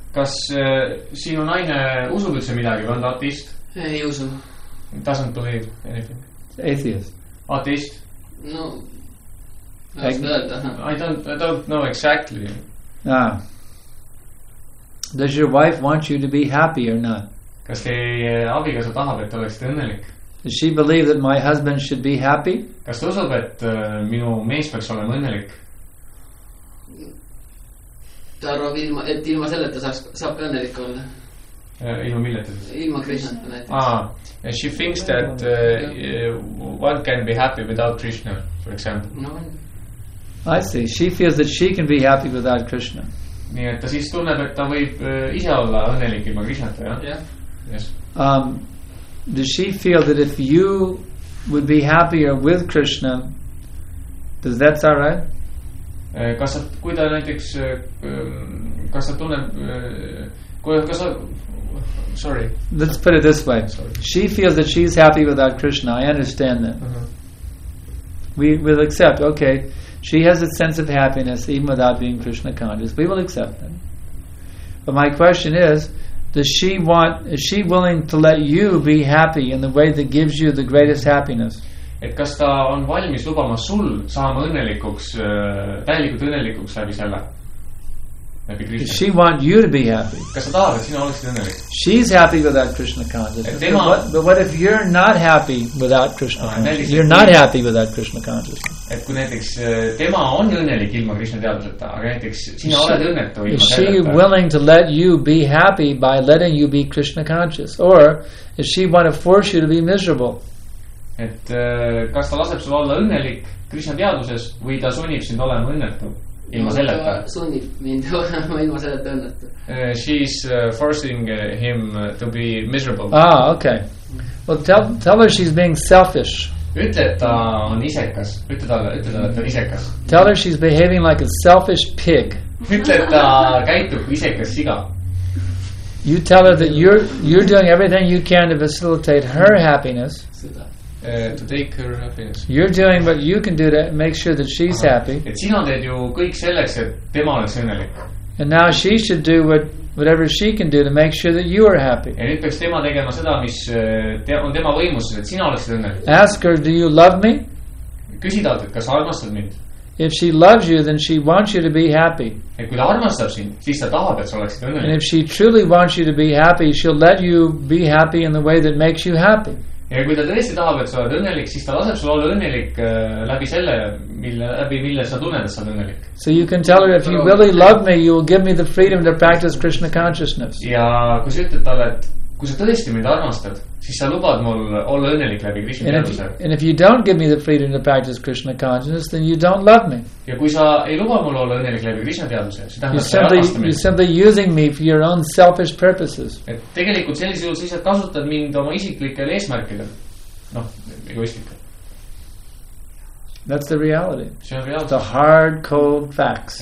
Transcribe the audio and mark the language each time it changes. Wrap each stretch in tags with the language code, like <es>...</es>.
<et>Kas sinu naine usub üldse midagi või on ta ateist? Ei usu.</et> <en>Doesn't believe anything. Atheist.</en> <et>Ateist?</et> <en>No. I don't know exactly. Does your wife want you to be happy or not?</en> <et>Kas teie abikaasa tahab, et oleksite õnnelik?</et> <en>Does she believe that my husband should be happy?</en> <et>Kas ta usub, et minu mees peaks olema õnnelik? Ta arvab, et ilma sellet ta saab õnnelik olla. Ilma milletes? Ilma Krishna.</et> <en>Ah, and she thinks that one can be happy without Krishna, for example. No. I see. She feels that she can be happy without Krishna.</en> <et>Nii, et ta siis tunneb, et ta võib ise olla õnnelik ilma Krishnata, jah?</et> <en>Yes. Does she feel that if you would be happier with Krishna, does that sound right?</en> <et>Kas sa, kui ta näiteks, kas sa tunneb, kui, kas sa,</et> <en>sorry. Let's put it this way. Sorry. She feels that she's happy without Krishna. I understand that. Uh-huh. We will accept, okay, she has a sense of happiness even without being Krishna conscious. We will accept that. But my question is, is she willing to let you be happy in the way that gives you the greatest happiness?</en> <et>Et kas ta on valmis lubama sul saama õnnelikuks, täielikult õnnelikuks läbi selle?</et> <en>Does she want you to be happy?</en> <et>Kas ta tahab, et sina oleksid õnnelik?</et> <en>She's happy without Krishna consciousness. But what if you're not happy without Krishna consciousness? You're not happy without Krishna consciousness.</en> <et>Et kui näiteks tema on õnnelik ilma Krishna teadvuseta, aga näiteks sina oled õnnetu ilma</et> <en>Is she</en> <et>teadvuseta?</et> <en>Willing to let you be happy by letting you be Krishna conscious? Or is she want to force you to be miserable?</en> <et>Et kas ta laseb sul olla õnnelik Krishna teadvuses või ta sunnib sind olema õnnetu? Ilma selleta. Sunnib mind ilma selleta õnnetu.</et> <en>She's forcing him to be miserable. Ah, okay. Well, tell her she's being selfish.</en> <et>Ütle, et ta on isekas. Ütle talle, et ta on isekas.</et> <en>Tell her she's behaving like a selfish pig.</en> <et>Ütle, et ta käitub isekas siga.</et> <en>You tell her that you're doing everything you can to facilitate her happiness. To take her happiness. You're doing what you can do to make sure that she's happy.</en> <et>Et sina teed ju kõik selleks, et tema oleks õnnelik.</et> <en>And now she should do whatever she can do to make sure that you are happy.</en> <et>Ja nüüd peaks tema tegema seda, mis on tema võimuses, et sina oleks õnnelik.</et> <en>Ask her, do you love me?</en> <et>Küsi talt, et kas armastad mind?</et> <en>If she loves you, then she wants you to be happy.</en> <et>Et kui ta armastab sind, siis ta tahab, et sa oleksid õnnelik.</et> <en>And if she truly wants you to be happy, she'll let you be happy in the way that makes you happy.</en> <et>Ja kui ta tõesti tahab, et sa oled õnnelik, siis ta laseb sul olla õnnelik läbi selle, mille sa tunned, et sa oled õnnelik.</et> <en>So you can tell her, if you really love me, you will give me the freedom to practice Krishna consciousness.</en> <et>Ja kui sa ütled talle, et kui sa tõesti mind armastad, siis sa lubad mul olla õnnelik läbi Krishna teaduse.</et> <en>And if you don't give me the freedom to practice Krishna consciousness, then you don't love me.</en> <et>Ja kui sa ei luba mul olla õnnelik läbi Krishna teaduse, siis tähendab, sa ei armasta mind.</et> <en>You're simply using me for your own selfish purposes.</en> <et>Et tegelikult sellise juhul siis, et kasutad mind oma isiklikel eesmärkidel. Noh, egoistlikel.</et> <en>That's the reality.</en> <et>See on reaalsus.</et> <en>The hard, cold facts.</en>